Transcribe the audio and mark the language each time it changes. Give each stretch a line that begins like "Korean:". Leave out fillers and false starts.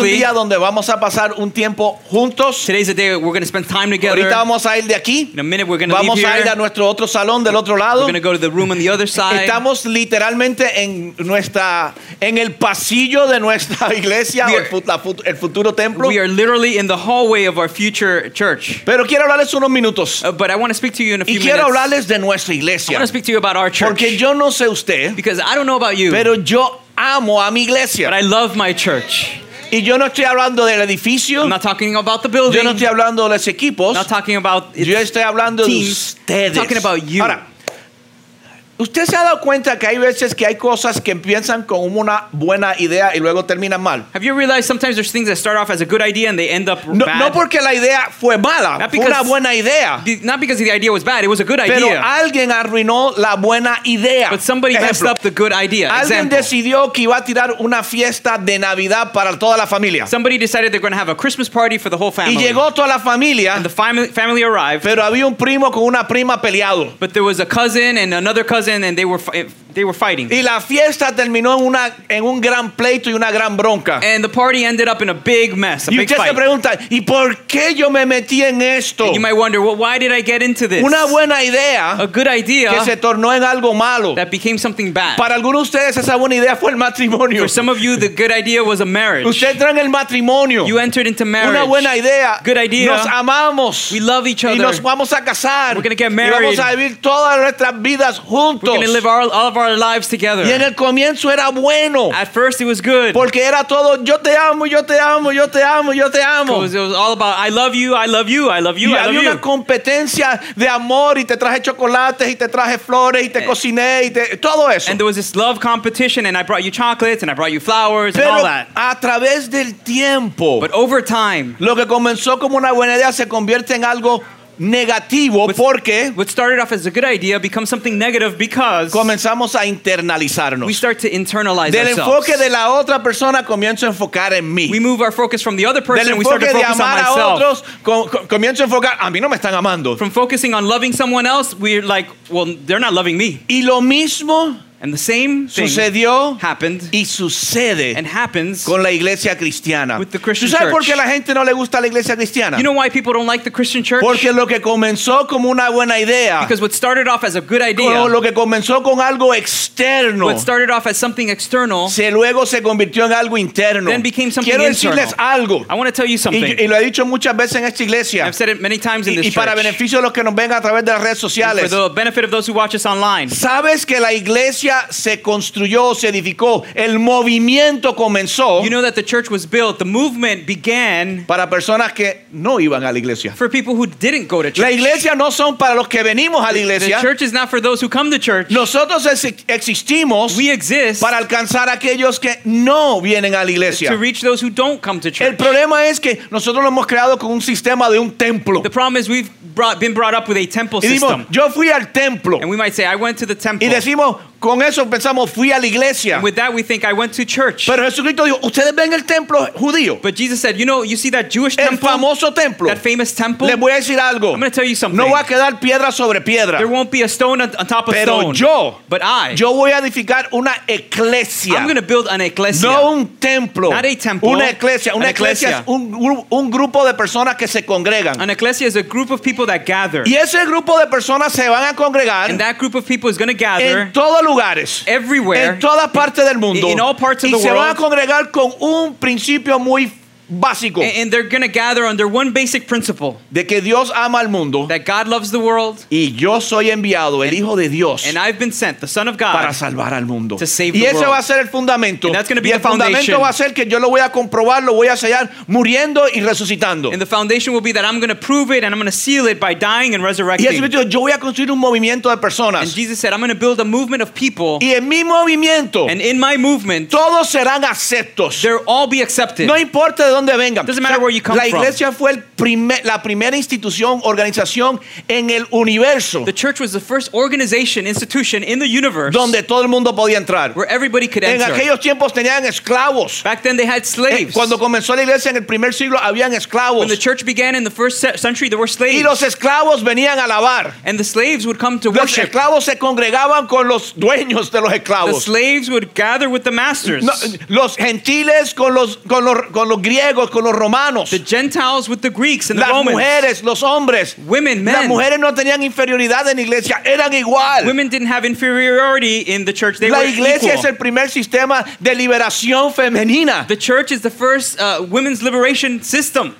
Spanish: Hoy es un día donde vamos a pasar un tiempo juntos.
English: Today's the day we're going to spend time together.
Spanish: Ahorita vamos a ir de aquí.
English: In a minute we're going to
Spanish: vamos
English: leave
Spanish: a ir
English: here.
Spanish: A nuestro otro salón del otro lado.
English: We're going to go to the room on the other side.
Spanish: Estamos literalmente en nuestra en el pasillo de nuestra iglesia o el futuro templo.
English: We are literally in the hallway of our future church.
Spanish: Pero quiero hablarles unos minutos.
English: But I want to speak to you in a few
Spanish: y quiero
English: minutes.
Spanish: Hablarles de nuestra iglesia.
English: I want to speak to you about our church.
Spanish: Porque yo no sé usted.
English: Because I don't know about you.
Spanish: Pero yo amo a mi iglesia.
English: But I love my church.
Spanish: Y yo no estoy hablando del edificio.
English: I'm not talking about the building.
Spanish: Yo no estoy hablando de los equipos.
English: Not talking about
Spanish: yo estoy hablando
English: teams.
Spanish: De ustedes.
English: I'm talking about you.
Spanish: Ahora, ¿usted se ha dado cuenta que hay veces que hay cosas que empiezan con una buena idea y luego terminan mal?
English: Have you realized sometimes there's things that start off as a good idea and they end up
Spanish: no,
English: bad?
Spanish: No porque la idea fue mala, fue una buena idea.
English: Not because the idea was bad, it was a good
Spanish: pero
English: idea.
Spanish: Pero alguien arruinó la buena idea.
English: But somebody
Spanish: ejemplo.
English: Messed up the good idea.
Spanish: Alguien
English: example.
Spanish: Decidió que iba a tirar una fiesta de Navidad para toda la familia.
English: Somebody decided they're going to have a Christmas party for the whole family.
Spanish: Y llegó toda la familia.
English: And the family arrived.
Spanish: Pero había un primo con una prima peleado.
English: But there was a cousin and another cousin. And they were fighting.
Spanish: Y la fiesta terminó en una en un gran pleito y una gran bronca.
English: And the party ended up in a big mess, a
Spanish: y
English: big fight.
Spanish: Y usted se pregunta, ¿y por qué yo me metí en esto?
English: And you might wonder, well, why did I get into this?
Spanish: Una buena idea,
English: a good idea,
Spanish: que se tornó en algo malo.
English: That became something bad.
Spanish: Para algunos de ustedes esa buena idea fue el matrimonio.
English: For some of you, the good idea was a marriage.
Spanish: Usted entró en el matrimonio.
English: You entered into marriage.
Spanish: Una buena idea,
English: good idea.
Spanish: Nos amamos.
English: We love each other.
Spanish: Y nos vamos a casar.
English: We're gonna get married.
Spanish: Y vamos a vivir todas nuestras vidas juntos.
English: We're going to live all of our lives together.
Spanish: Y en el comienzo era bueno.
English: At first it was good.
Spanish: Porque era todo, yo te amo, yo te amo, yo te amo, yo te amo.
English: It was all about, I love you, I love you, I love you,
Spanish: y
English: I love you.
Spanish: Y había una competencia de amor y te traje chocolates y te traje flores y te cociné y te, todo eso.
English: And there was this love competition and I brought you chocolates and I brought you flowers
Spanish: pero
English: and all that.
Spanish: A través del tiempo.
English: But over time.
Spanish: Lo que comenzó como una buena idea se convierte en algo negativo porque
English: what started off as a good idea becomes something negative because
Spanish: comenzamos a internalizarnos.
English: We start to internalize
Spanish: del
English: ourselves.
Spanish: Del enfoque de la otra persona comienzo a enfocar en mí.
English: We move our focus from the other person
Spanish: del
English: and we start to focus
Spanish: de amar
English: on myself.
Spanish: A otros, comienzo a enfocar a mí no me están amando.
English: From focusing on loving someone else we're like well they're not loving me.
Spanish: Y lo mismo
English: and the same thing
Spanish: sucedió
English: happened
Spanish: y sucede
English: and happens
Spanish: con la iglesia cristiana.
English: With the Christian
Spanish: ¿Tú sabes Por qué la gente no le gusta la iglesia cristiana?
English: You know why people don't like the Christian church?
Spanish: Porque lo que comenzó como una buena idea
English: because what started off as a good idea
Spanish: lo que comenzó con algo externo
English: what started off as something external
Spanish: se luego se convirtió en algo interno
English: then became something
Spanish: quiero
English: internal.
Spanish: Decirles algo
English: I want to tell you something
Spanish: y lo he dicho muchas veces en esta iglesia
English: I've said it many times in this
Spanish: y
English: church
Spanish: y para beneficio de los que nos ven a través de las redes sociales
English: and for the benefit of those who watch us online
Spanish: sabes que la iglesia se construyó, se edificó, el movimiento comenzó.
English: You know that the church was built, the movement began.
Spanish: Para personas que no iban a la iglesia.
English: For people who didn't go to church.
Spanish: La iglesia no son para los que venimos a la iglesia.
English: The church is not for those who come to church.
Spanish: Nosotros existimos.
English: We exist.
Spanish: Para alcanzar a aquellos que no vienen a la iglesia.
English: To reach those who don't come to church.
Spanish: El problema es que nosotros nos hemos creado con un sistema de un templo.
English: The problem is we've been brought up with a temple system.
Spanish: Y decimos, yo fui al templo.
English: And we might say, I went to the temple.
Spanish: Y decimos, con eso pensamos, fui a la iglesia.
English: And with that we think, I went to church.
Spanish: Pero Jesucristo dijo, ustedes ven el templo judío.
English: But Jesus said, you know, you see that Jewish
Spanish: el
English: temple?
Spanish: El famoso templo.
English: That famous temple?
Spanish: Le voy a decir algo.
English: I'm going to tell you something.
Spanish: No va a quedar piedra sobre piedra.
English: There won't be a stone on top of
Spanish: pero
English: stone.
Spanish: Yo,
English: but I.
Spanish: Yo voy a edificar una iglesia.
English: I'm going to build an ecclesia.
Spanish: No un templo.
English: Not a temple.
Spanish: Una iglesia. Una iglesia es un grupo de personas que se congregan.
English: An ecclesia is a group of people that gather.
Spanish: Y ese grupo de personas se van a congregar.
English: And that group of people is going to gather.
Spanish: En todo lugares
English: everywhere,
Spanish: en toda parte del mundo
English: in all parts of
Spanish: y
English: the
Spanish: se
English: world,
Spanish: van a congregar con un principio muy básico
English: and they're going to gather under one basic principle
Spanish: de que Dios ama al mundo
English: that God loves the world
Spanish: y yo soy enviado el hijo de Dios
English: and I've been sent the son of God
Spanish: para salvar al mundo
English: to save
Spanish: y
English: the world
Spanish: y ese va a ser el fundamento
English: and that's going to be
Spanish: y
English: the foundation
Spanish: y el fundamento va a ser que yo lo voy a comprobar lo voy a sellar muriendo y resucitando
English: and the foundation will be that I'm going to prove it and I'm going to seal it by dying and resurrecting
Spanish: y eso es lo que yo voy a construir un movimiento de personas
English: and Jesus said I'm going to build a movement of people
Spanish: y en mi movimiento
English: and in my movement
Spanish: todos serán aceptos
English: they'll all be accepted
Spanish: no importa de dónde dónde vengan.
English: Doesn't matter where you come from.
Spanish: La iglesia
English: from.
Spanish: Fue la primera institución, organización en el universo.
English: The church was the first organization, institution in the universe.
Spanish: Donde todo el mundo podía entrar.
English: Where everybody could enter.
Spanish: En aquellos tiempos tenían esclavos.
English: Back then they had slaves.
Spanish: Cuando comenzó la iglesia en el primer siglo habían esclavos.
English: When the church began in the first century there were slaves.
Spanish: Y los esclavos venían a alabar.
English: And the slaves would come to
Spanish: los
English: worship.
Spanish: Los esclavos se congregaban con los dueños de los esclavos.
English: The slaves would gather with the masters. No,
Spanish: los gentiles con los griegos, con los romanos.
English: The gentiles with the Greeks and the
Spanish: las
English: Romans.
Spanish: Las mujeres, los hombres.
English: Women, men.
Spanish: Las mujeres no tenían inferioridad en la iglesia, eran igual.
English: Women didn't have inferiority in the church. They
Spanish: la
English: were equal.
Spanish: La iglesia es el primer sistema de liberación femenina.
English: The church is the first women's liberation system.